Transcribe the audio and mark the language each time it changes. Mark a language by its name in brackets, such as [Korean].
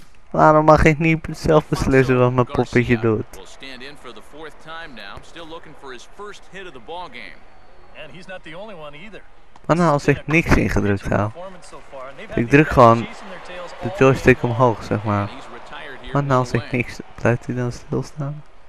[Dutch] Waarom mag ik niet zelf beslissen wat mijn poppetje doet? [English] Stand in for the fourth time now, still looking for his first hit of the ball game. And he's not the only one either. [Dutch] Maar nou, als ik niks ingedrukt hou. Ik druk gewoon de joystick omhoog, zeg maar. Maar nou, als ik niks... Blijft hij dan stilstaan?